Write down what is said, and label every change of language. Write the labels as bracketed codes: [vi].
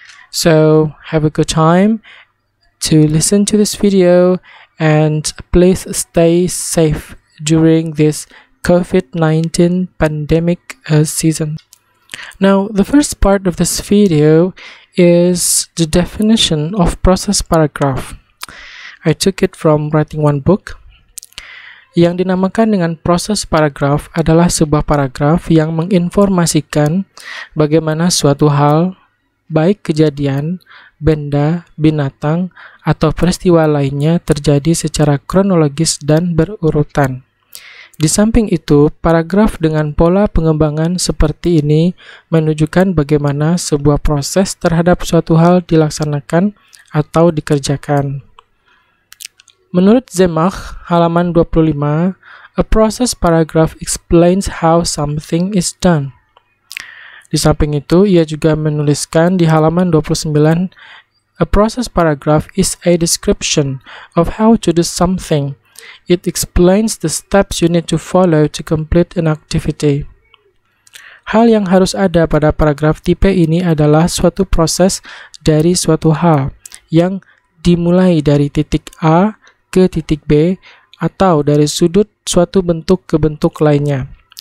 [en] So have a good time to listen to this video, and please stay safe during this COVID-19 pandemic season. Now, the first part of this video is the definition of process paragraph. I took it from Writing One book. [id] Yang dinamakan dengan proses paragraf adalah sebuah paragraf yang menginformasikan bagaimana suatu hal, baik kejadian, benda, binatang, atau peristiwa lainnya terjadi secara kronologis dan berurutan. Di samping itu, paragraf dengan pola pengembangan seperti ini menunjukkan bagaimana sebuah proses terhadap suatu hal dilaksanakan atau dikerjakan. Menurut Zemach, halaman 25, [en] a process paragraph explains how something is done. [id] Di samping itu, ia juga menuliskan di halaman 29, [en] a process paragraph is a description of how to do something. It explains the steps you need to follow to complete an activity. [id] Hal yang harus ada pada paragraf tipe ini adalah suatu proses dari suatu hal yang dimulai dari titik A ke titik B atau dari sudut suatu bentuk ke bentuk lainnya.